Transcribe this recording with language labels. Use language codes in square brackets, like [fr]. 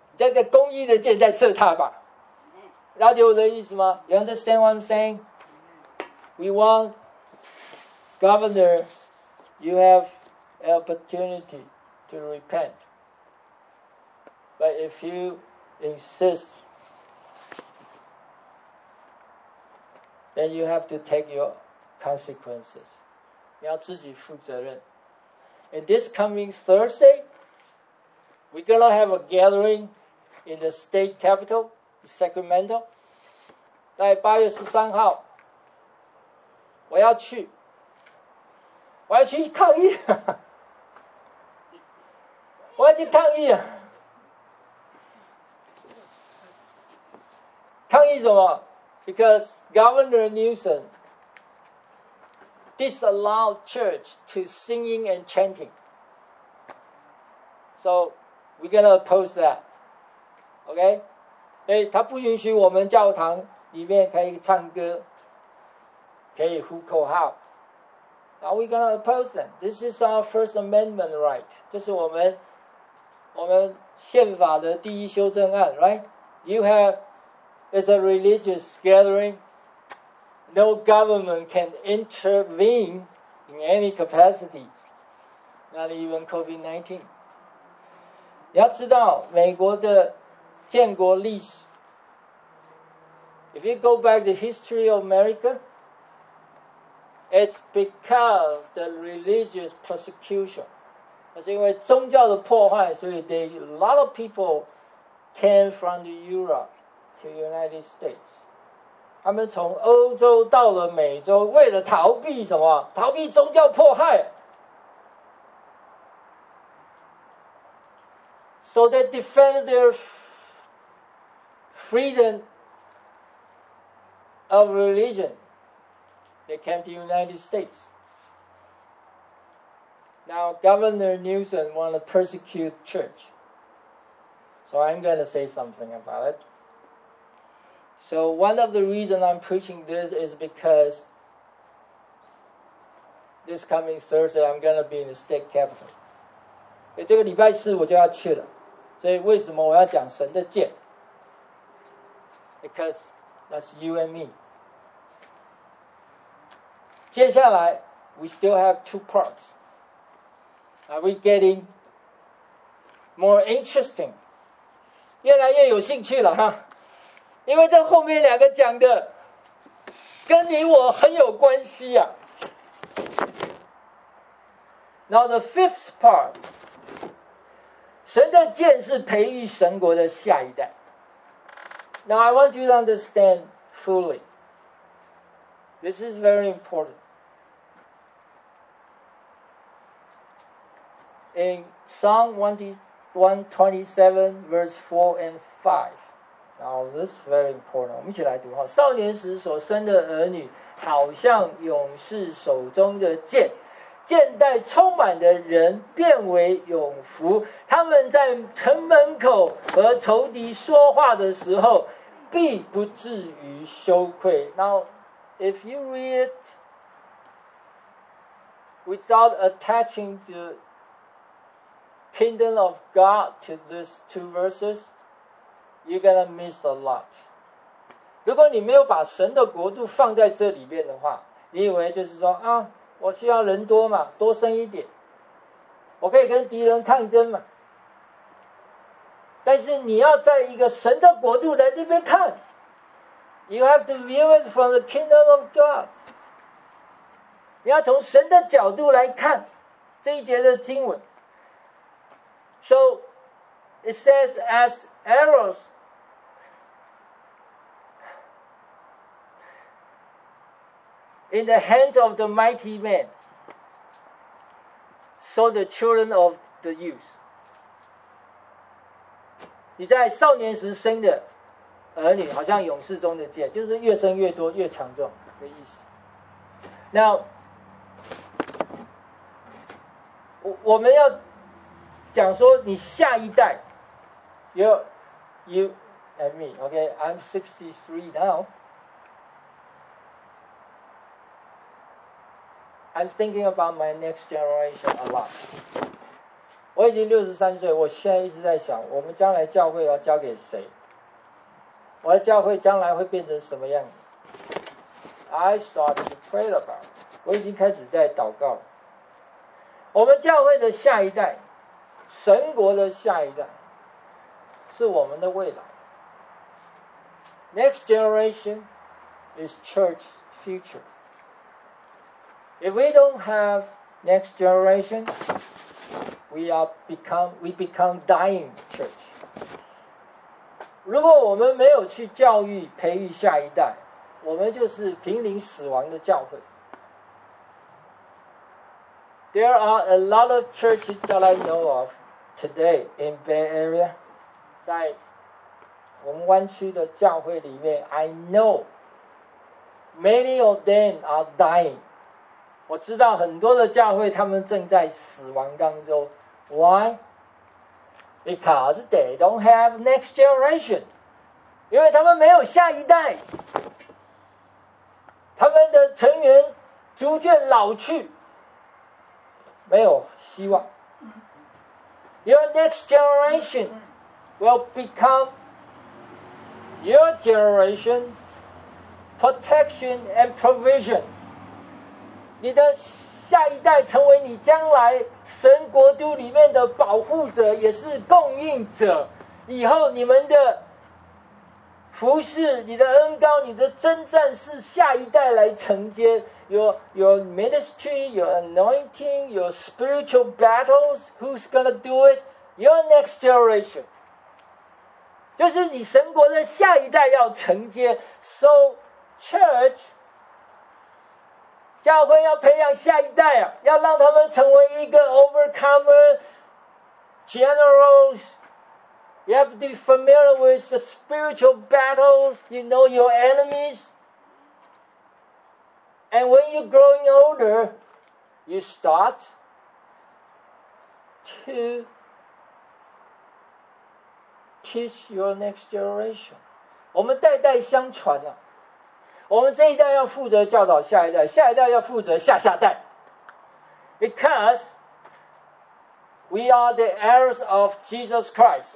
[zh] 你再给公义的箭再射他吧。了解我的意思吗? [en] You understand what I'm saying? We want Governor, you have an opportunity to repent. But if you insist, then you have to take your consequences. [zh] 你要自己负责任。 [en] And this coming Thursday, we're going to have a gathering in the state capital, Sacramento. [zh] 在8月13号我要去，我要去抗议，我要去抗议啊！抗议什么 ？ [en] Because Governor Newsom disallowed church to singing and chanting. So we're gonna oppose that. Okay? [zh] 所以他不允许我们教堂里面可以唱歌，可以呼口号。 [en] Are we gonna oppose them? This is our First Amendment right. [zh] 这是我们宪法的第一修正案 ，right? [en] You have It's a religious gathering. No government can intervene in any capacity, not even COVID-19. [zh] 你要知道美国的建国历史。 [en] If you go back the history of America, it's because the religious persecution. [zh] 那是因为宗教的破坏，所以 [en] a lot of people came from the Europe. To United States, [zh] 他们从欧洲到了美洲，为了逃避什么？逃避宗教迫害。 [en] So they defend their freedom of religion. They came to United States. Now Governor Newsom want to persecute church. So I'm going to say something about it. So one of the reasons I'm preaching this is because this coming Thursday I'm going to be in the state capital. [zh] 这个礼拜四我就要去了，所以为什么我要讲神的诫？ [en] Because that's you and me. [zh] 接下来 [en] we still have two parts. Are we getting more interesting? [zh] 越来越有兴趣了哈。因为这后面两个讲的跟你我很有关系啊。 [en] Now the fifth part, [zh] 神的诫是培育神国的下一代。 [en] Now I want you to understand fully. This is very important. In Psalm 127 verse 4 and 5,Now, this is very important. [zh] 我们一起来读哈。少年时所生的儿女，好像勇士手中的剑，剑带充满的人变为有福。他们在城门口和仇敌说话的时候，必不至于羞愧。 [en] Now, if you read without attaching the kingdom of God to these two verses. You're gonna miss a lot. [zh] 如果你没有把神的国度放在这里面的话，你以为就是说啊，我需要人多嘛，多生一点，我可以跟敌人抗争嘛。但是你要在一个神的国度来这边看 [en] ，You have to view it from the kingdom of God. [zh] 你要从神的角度来看这一节的经文。 [en] So it says as arrows. In the hands of the mighty man, so the children of the youth. [zh] 你在少年时生的儿女，好像勇士中的剑，就是越生越多，越强壮的意思。 [en] Now, [zh] 我们要讲说你下一代 [en] ，you and me. Okay, I'm 63 now. I'm thinking about my next generation a lot. [zh] 我已经63岁，我现在一直在想，我们将来教会要交给谁？我的教会将来会变成什么样子 [en] ？I started to pray about. [zh] 我已经开始在祷告了。我们教会的下一代，神国的下一代，是我们的未来。 [en] Next generation is church future. If we don't have next generation, we become dying church. [zh] 如果我们没有去教育培育下一代，我们就是濒临死亡的教会。 [en] There are a lot of churches that I know of today in Bay Area. [zh] 在文湾区的教会里面 ， [en] I know many of them are dying. [zh] 我知道很多的教会他们正在死亡当中。 [en] Why? Because they don't have next generation. [zh] 因为他们没有下一代，他们的成员逐渐老去，没有希望。 [en] Your next generation will become your generation protection and provision. [zh] 你的下一代成为你将来神国度里面的保护者，也是供应者。以后你们的服侍，你的恩膏，你的征战是下一代来承接。 [en] Your ministry, your anointing, your spiritual battles, who's gonna do it? Your next generation. [zh] 就是你神国的下一代要承接。 [en] So church, [zh] 教会要培养下一代啊，要让他们成为一个 [en] overcomer, generals,You have to be familiar with the spiritual battles, you know your enemies. And when you're growing older, you start to teach your next generation. [zh] 我们代代相传啊，我们这一代要负责教导下一代，下一代要负责下下代。 [en] Because,We are the heirs of Jesus Christ.